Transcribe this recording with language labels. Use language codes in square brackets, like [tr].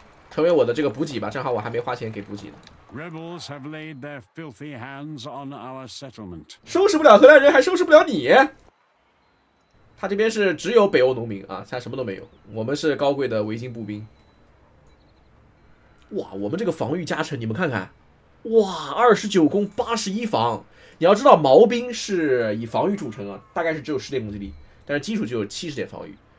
[zh] 成为我的这个补给吧，正好我还没花钱给补给呢。 [en] Rebels have laid their filthy hands on our settlement. [zh] 收拾不了荷兰人，还收拾不了你。他这边是只有北欧农民啊，他什么都没有。我们是高贵的维京步兵。哇，我们这个防御加成，你们看看，哇，29攻81防。你要知道，毛兵是以防御著称啊，大概是只有10点攻击力，但是基础就有70点防御。